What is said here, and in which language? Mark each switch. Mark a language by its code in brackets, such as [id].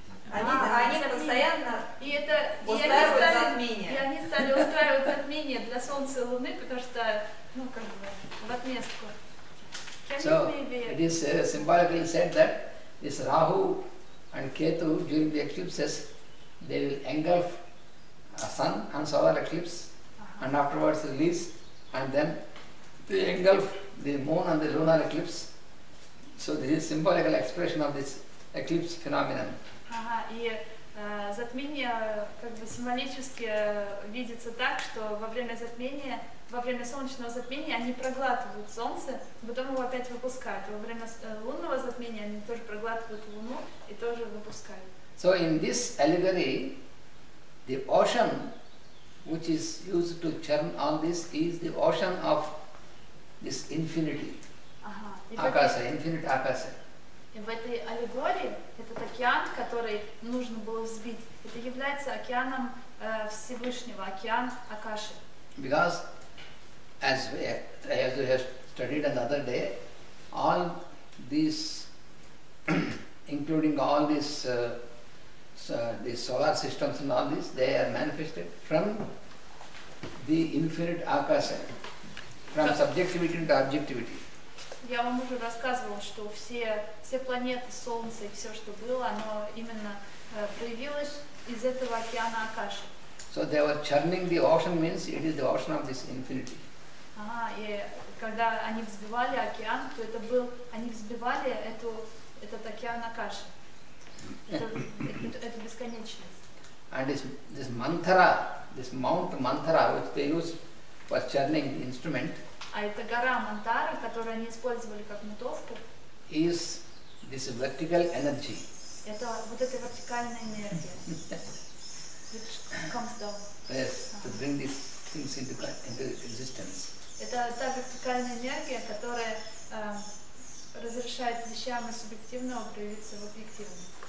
[ru] Они постоянно устраивают затмение. И они стали устраивать затмение для солнца и луны, потому что, ну, как бы, в отместку. [en] So, it is symbolically said that this Rahu and Ketu during the eclipses, they will engulf sun and solar eclipse and afterwards release and then the engulf, the moon and the lunar eclipse. So this is symbolical expression of this eclipse phenomenon. [ru] И затмение как бы символически видится так, что во время затмения во время солнечного затмения они проглатывают солнце, потом его опять выпускают. Во время лунного затмения они тоже проглатывают луну и тоже выпускают. [en] So in this allegory, the ocean which is used to churn all this is the ocean of this infinity. Акаса, infinite Акаса. [ru] И в этой аллегории этот океан, который нужно было взбить, это является океаном Всевышнего, океан Акаши. [en] Because as we have studied another day, all these including all these the solar systems and all these, they are manifested from the infinite Акаса, from subjectivity into objectivity. [ru] Я вам уже рассказывала, что все планеты, Солнце и все, что было, оно именно проявилось из этого океана Акаши. [en] So they were churning the ocean means it is the ocean of this infinity. [ru] Ага, и когда они взбивали океан, то это был, они взбивали этот океан Акаши. Это бесконечность. [en] And this mantra, this mount mantra, which they used for churning the instrument, [ru] а это гора Мантара, которую они использовали как мутовку. [en] Is this vertical energy. [ru] Это вот эта вертикальная энергия. [en] Which comes down. Yes, to bring these things into existence. [ru] Это та вертикальная энергия, которая разрешает вещам из субъективного проявиться в объективное.